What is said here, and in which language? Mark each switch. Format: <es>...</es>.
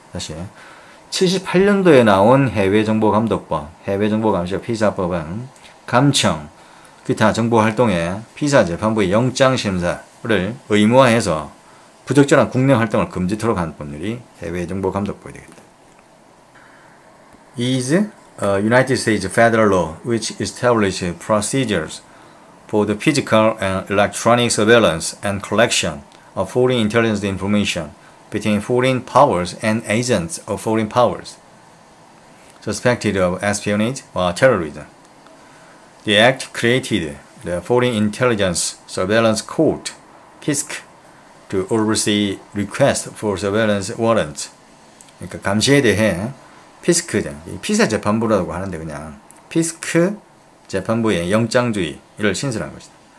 <ko>다시 78년도에 나온 해외정보감독법, 해외정보감시와 피사법은 감청, 기타 정보활동에 피사재판부의 영장심사를 의무화해서 부적절한 국내 활동을 금지하도록 한 법률이 해외정보감독법이 되겠다.</ko> <en>Is a United States federal law which establishes procedures for the physical and electronic surveillance and collection of foreign intelligence information between foreign powers and agents of foreign powers suspected of espionage or terrorism. The Act created the Foreign Intelligence Surveillance Court, FISC, to oversee requests for surveillance warrants.</en> <ko>그러니까 감시에 대해 FISC, 피사재판부라고 하는데 그냥 FISC 재판부의 영장주의를 신설한 것이다.</ko>